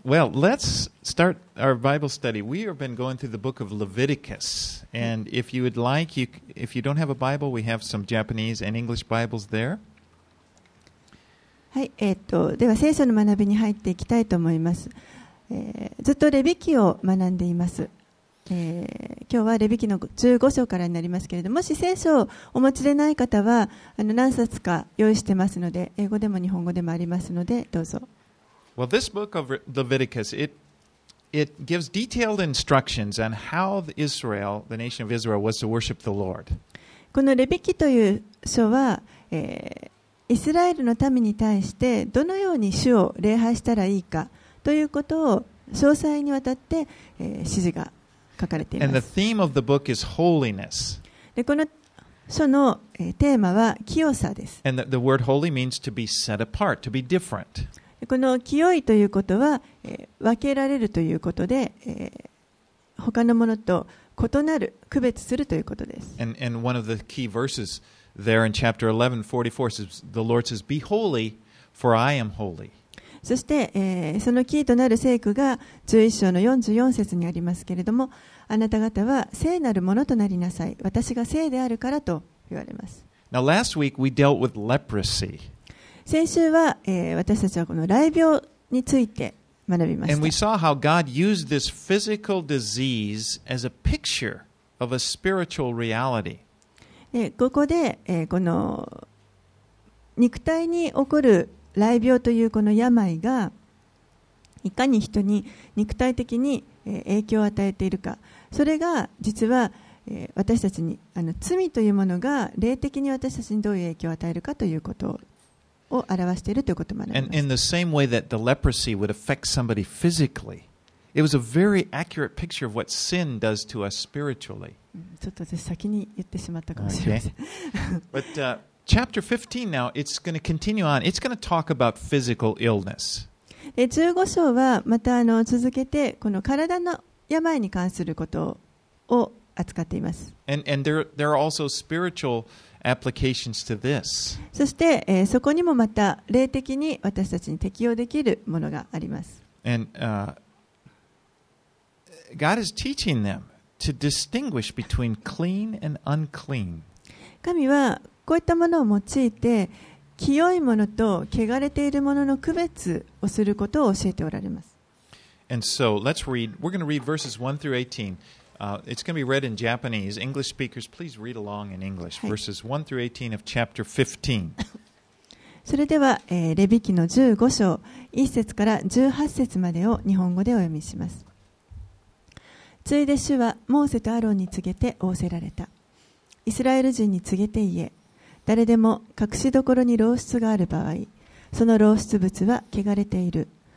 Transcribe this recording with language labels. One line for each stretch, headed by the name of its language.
English: Well, let's start our Bible study. We have been going through the book of Leviticus. And if you would like, if you don't have a Bible, we have some Japanese and English Bibles there.
Japanese: はい、では聖書の学びに入っていきたいと思います。ずっとレビ記を学んでいます。今日はレビ記の15章からになりますけれども、もし聖書をお持ちでない方は、何冊か用意してますので、英語でも日本語でもありますので、どうぞ。
English: Well, this book of Leviticus, it gives detailed instructions on how the Israel, the nation of Israel, was to worship the Lord.
Japanese: このレビ記という書は、イスラエルの民に対してどのように主を礼拝したらいいかということを詳細にわたって、指示が書かれています。
English: And the theme of the book is holiness.
Japanese: で、この書の、テーマは清さです。
English: And the word holy means to be set apart, to be different.
Japanese: この清いということは、分けられるということで、他のものと異なる、区別するということです。
English: And one of the key verses there in chapter 11:44 says, "The Lord says, 'Be holy, for I am holy.'"
Japanese: そして、そのキーとなる聖句が11章の44節にありますけれども、あなた方は聖なるものとなりなさい。私が聖であるからと言われます。
English: Now, last week we dealt with leprosy.
Japanese: 先週は、私たちはこの癩病について学びました。
English: And we saw how God used this physical disease as a picture of a spiritual reality.
Japanese: ここで、この肉体に起こる癩病というこの病がいかに人に肉体的に影響を与えているか、それが実は私たちに罪というものが霊的に私たちにどういう影響を与えるかということを。を表しているということもあります。
English: And in the same way that the leprosy would affect somebody physically, it was a very accurate picture of what sin does to us spiritually.
Japanese: ちょっと先に言ってしまったかもしれません。
English: Okay. But chapter 15 now, it's going to continue on. It's going to talk about physical illness.
Japanese: 15章はまた続けてこの体の病に関することを扱っています。
English: And there are also spiritualapplications to this.
Japanese: そして、そこにもまた霊的に私たちに適用できるものがあります。
English: And God is teaching them to distinguish between clean and unclean.
Japanese: 神はこういったものを用いて清いものと汚れているものの区別をすることを教えておられます。
English: And so let's read. We're going to read verses 1 through 18. It's going to be read in Japanese. English speakers, please read along in English. Verses 1 through 18 of chapter 15.
Japanese: それでは、レビ記の15章1節から18節までを日本語でお読みします。ついで主はモーセとアロンに告げて仰せられた。イスラエル人に告げて言え。誰でも隠しどころに漏出がある場合、その漏出物は汚れている。